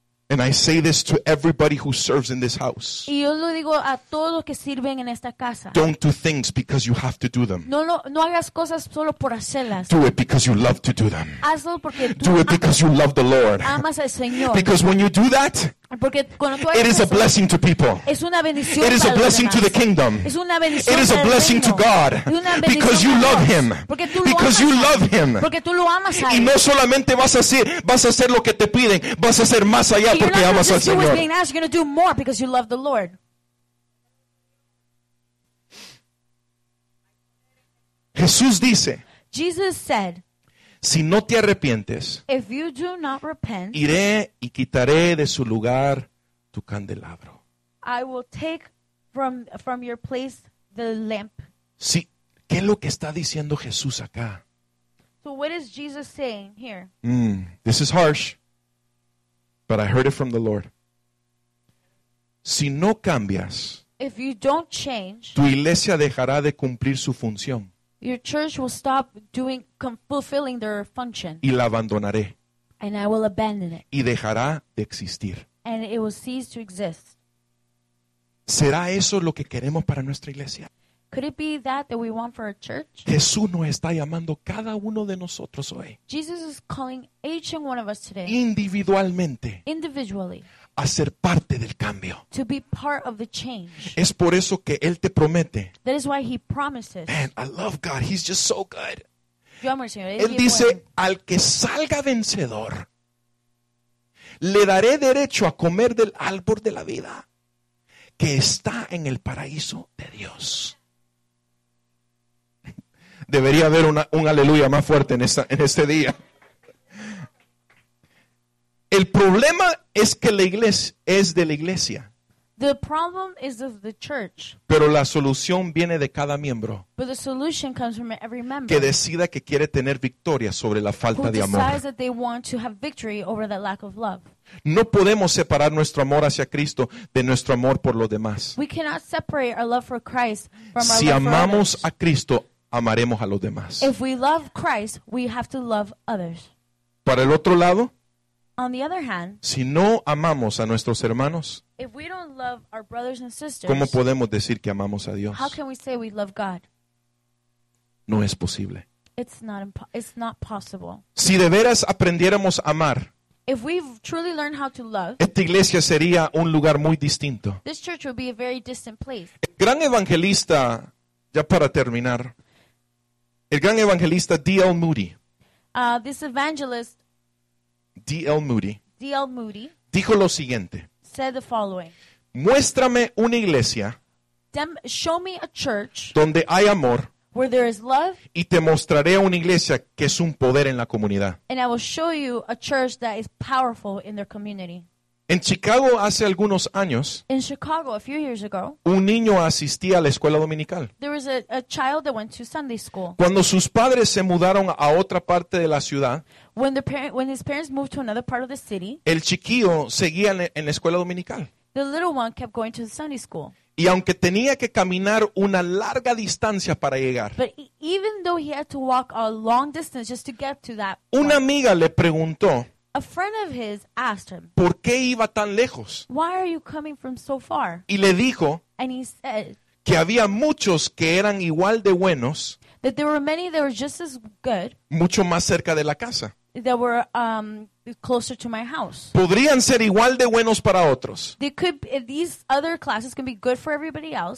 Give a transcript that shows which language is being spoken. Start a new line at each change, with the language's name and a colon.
English: And I say this to everybody who serves in this house.
Spanish: Y yo lo digo a todos los que sirven en esta casa.
English: Don't do things because you have to do them.
Spanish: No hagas cosas solo por hacerlas.
English: Do it because you love to do them.
Spanish: Hazlo porque tú
English: do it because you love the Lord.
Spanish: Amas al Señor.
English: Because when you do that,
Spanish: porque cuando tú
English: it is a blessing to people.
Spanish: Es una bendición
English: it is a blessing
Spanish: demás.
English: To the kingdom.
Spanish: Es una bendición
English: it is a blessing
Spanish: reino.
English: To God. Because you love him.
Spanish: Porque tú
English: because you love him.
Spanish: Porque tú lo amas a y no solamente vas a hacer lo que te piden. Vas a hacer más allá
English: you're
Spanish: porque amas al Señor.
English: You're going to do more because you love the Lord.
Spanish: Jesús dice,
English: Jesus said,
Spanish: si no te arrepientes,
English: if you do not repent,
Spanish: iré y quitaré de su lugar tu candelabro.
English: I will take from your place the lamp.
Spanish: Sí, ¿qué es lo que está diciendo Jesús acá?
English: So what is Jesus saying here? This is harsh, but I heard it from the Lord.
Spanish: Si no cambias,
English: if you don't change,
Spanish: tu iglesia dejará de cumplir su función.
English: Your church will stop doing fulfilling their function.
Spanish: Y la abandonaré.
English: And I will abandon it.
Spanish: Y dejará de existir.
English: And it will cease to exist.
Spanish: ¿Será eso lo que queremos para nuestra iglesia?
English: Could it be that we want for our church?
Spanish: Jesús nos está llamando cada uno de nosotros hoy.
English: Jesus is calling each and one of us today.
Spanish: Individualmente.
English: Individually.
Spanish: A ser parte del cambio.
English: To be part of the change.
Spanish: Es por eso que Él te promete.
English: That is why He promises. Man, I love God. He's just so good.
Spanish: Yo amo al Señor. Él dice, al que salga vencedor, le daré derecho a comer del árbol de la vida que está en el paraíso de Dios. Debería haber un aleluya más fuerte en este día. El problema es que la iglesia es de la iglesia.
English: The problem is of the church.
Spanish: Pero la solución viene de cada miembro.
English: But the solution comes from every member.
Spanish: Que decida que quiere tener victoria sobre la falta de amor.
English: Who decides that they want to have victory over that lack of love.
Spanish: No podemos separar nuestro amor hacia Cristo de nuestro amor por los demás.
English: We cannot separate our love for Christ from our love for others.
Spanish: Si amamos a Cristo, amaremos a los demás.
English: If we love Christ, we have to love others.
Spanish: Para el otro lado,
English: on the other hand,
Spanish: si no amamos a nuestros hermanos,
English: if we don't love our brothers and sisters,
Spanish: ¿cómo podemos decir que amamos a Dios?
English: How can we say we love God?
Spanish: No es posible.
English: It's not possible.
Spanish: Si de veras aprendiéramos a amar,
English: if we've truly learned how to love,
Spanish: esta iglesia sería un lugar muy distinto.
English: This church would be a very distant place.
Spanish: El gran evangelista, ya para terminar, el gran evangelista D.L. Moody.
English: This evangelist
Spanish: D.L. Moody dijo lo siguiente.
English: Said the following.
Spanish: Muéstrame una iglesia.
English: Show me a church.
Spanish: Donde hay amor.
English: Where there is love.
Spanish: Y te mostraré una iglesia que es un poder en la comunidad.
English: And I will show you a church that is powerful in their community.
Spanish: En Chicago hace algunos años.
English: In Chicago a few years ago.
Spanish: Un niño asistía a la escuela dominical.
English: There was a child that went to Sunday school.
Spanish: Cuando sus padres se mudaron a otra parte de la ciudad.
English: When his parents moved to another part of the city.
Spanish: El chiquillo seguía en la escuela dominical.
English: The little one kept going to the Sunday school.
Spanish: Y aunque tenía que caminar una larga distancia para llegar.
English: But even though he had to walk a long distance just to get to that.
Spanish: Una amiga le preguntó.
English: A friend of his asked him,
Spanish: ¿por qué iba tan lejos?
English: Why are you coming from so far?
Spanish: Y le dijo,
English: and he said,
Spanish: que había muchos que eran igual de buenos,
English: that there were many that were just as good,
Spanish: mucho más cerca de la casa,
English: that were closer to my house.
Spanish: Podrían ser igual de buenos para otros.
English: They could, these other classes can be good for everybody else,